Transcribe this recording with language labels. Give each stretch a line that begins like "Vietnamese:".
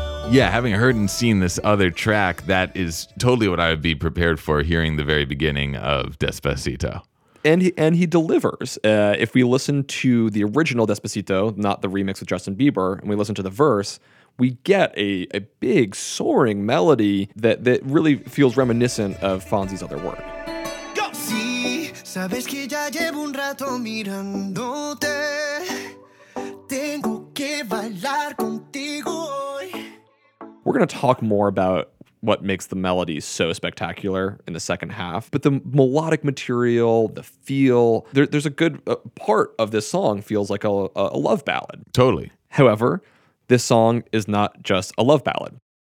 English: Yeah, having heard and seen this other track, that is totally what I would be prepared for hearing the very beginning of Despacito. And he delivers. If we listen to the original Despacito, not the remix with Justin Bieber, and we listen to the verse, we get a big soaring melody that really feels reminiscent of Fonsi's other work. Go!
Spanish: Sí, sabes que ya llevo un rato mirándote. Tengo que bailar contigo.
English: We're going to talk more about what makes the melody so spectacular in the second half. But the melodic material, the feel, there's a good part of this song feels like a love ballad. Totally. However, this song is not just a love ballad.